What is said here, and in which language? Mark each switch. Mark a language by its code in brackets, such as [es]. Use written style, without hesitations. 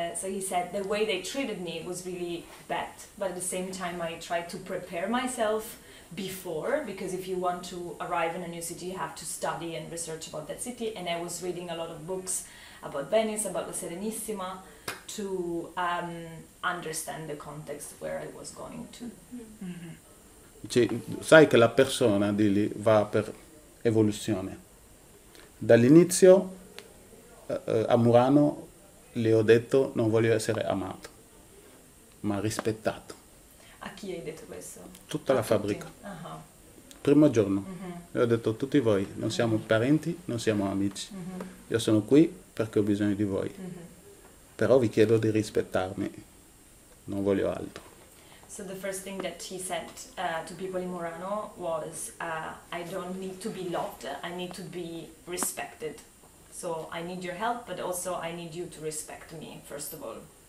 [en] So he said the way they treated me was really bad, but at the same time I tried to prepare myself before, because if you want to arrive in a new city you have to study and research about that city, and I was reading a lot of books about Venice, about the Serenissima, to understand the context where I was going to. [it] Cioè, sai che la persona di lì va per evoluzione. Dall'inizio a Murano le ho detto non voglio essere amato, ma rispettato. A chi hai detto questo? Tutta a la fabbrica. Primo giorno. Le ho detto tutti voi, non siamo parenti, non siamo amici. Io sono qui perché ho bisogno di voi. Però vi chiedo di rispettarmi, non voglio altro. [en] So the first thing that he said to people in Murano was I don't need to be loved, I need to be respected. So I need your help, but also I need you to respect me, first of all.